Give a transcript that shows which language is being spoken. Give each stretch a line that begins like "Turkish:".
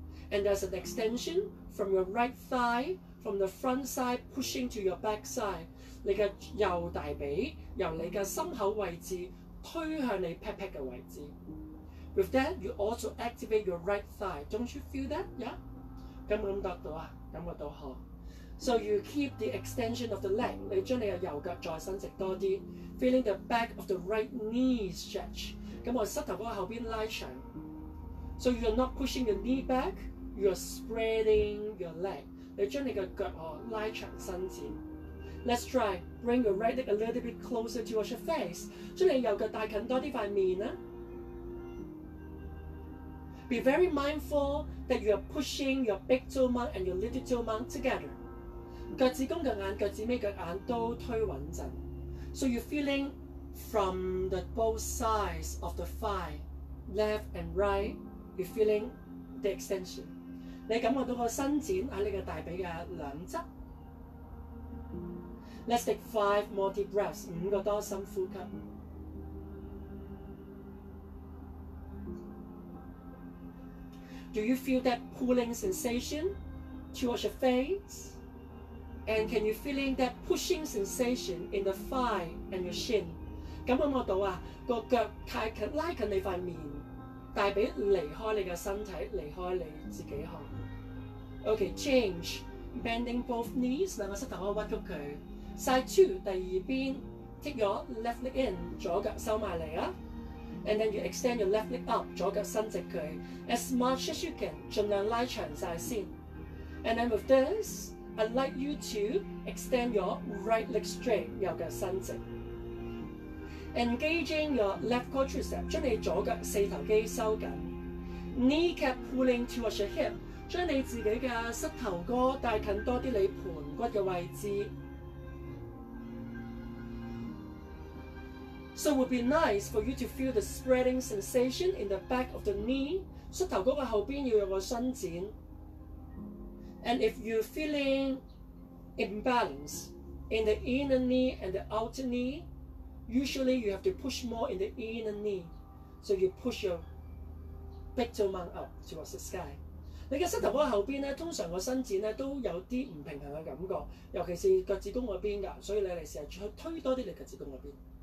English: And there's an extension from your right thigh from the front side pushing to your back side。
Chinese: 你嘅右大髀由你嘅心口位置推向你屁屁嘅位置。
English: With that, you also activate your right thigh. Don't you feel that? Yeah?
Chinese: 感覺得到啊？感覺到好。
English: So you keep the extension of the leg.
Chinese: 你將你嘅右腳再伸直多啲。
English: Feeling the back of the right knee stretch.
Chinese: 咁我膝頭骨後邊拉長。
English: So you're not pushing your knee back. You're spreading your leg.
Chinese: 你將你嘅腳哦拉長伸展。
English: Let's try. Bring your right leg a little bit closer to your face.
Chinese: 將你右腳帶近多啲塊面啊。
English: Be very mindful that you are pushing your big toe mount and your little toe mount together.
Chinese: 腳趾公腳眼、腳趾尾腳眼都推穩陣。
English: So you're feeling from the both sides of the thigh, left and right. You're feeling the extension.
Chinese: 你感覺到個伸展喺你嘅大髀嘅兩側。
English: Let's take five more deep breaths，
Chinese: 五個多深呼吸。
English: Do you feel that pulling sensation towards your face? And can you feeling that pushing sensation in the thigh and your shin?
Chinese: 感覺唔到啊，個腳太近，拉近你塊面，大髀離開你嘅身體，離開你自己嚇。
English: Okay, change, bending both knees，
Chinese: 兩個膝頭可屈曲佢。
English: Side two，
Chinese: 第二邊
English: ，take your left leg in，
Chinese: 左腳收埋嚟啊
English: ，and then you extend your left leg up，
Chinese: 左腳伸直佢
English: ，as much as you can，
Chinese: 盡量拉長曬先
English: ，and then with this， I'd like you to extend your right leg straight，
Chinese: 右腳伸直
English: ，engaging your left quadricep，
Chinese: 將你左腳四頭肌收緊
English: ，kneecap pulling towards your hip，
Chinese: 將你自己嘅膝頭哥帶近多啲你盤骨嘅位置。
English: So it would be nice for you to feel the spreading sensation in the back of the knee
Chinese: 膝頭嗰個後邊要有個伸展。
English: And if you're feeling imbalance in the inner knee and the outer knee, usually you have to push more in the inner knee. So you push your big toe mount up towards the sky.
Chinese: 你的膝頭哥後邊通常個伸展都有啲唔平衡的感覺，尤其是腳趾弓嗰邊㗎，所以你嚟試下推多啲你腳趾弓嗰邊。